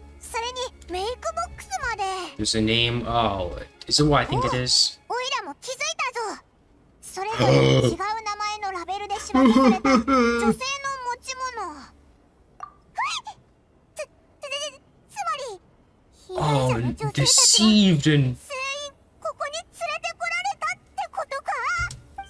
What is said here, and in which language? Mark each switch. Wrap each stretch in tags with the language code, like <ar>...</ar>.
<ja>それにメイクボックスまで。</ja> <en>There's a name. Oh, is it what I think it is?</en> <ja>おいらも気づいたぞ。それぞれ違う名前のラベルで縛られた女性の持ち物。ふい。つまり被害者の女性たちが全員ここに連れてこられたってことか。</ja>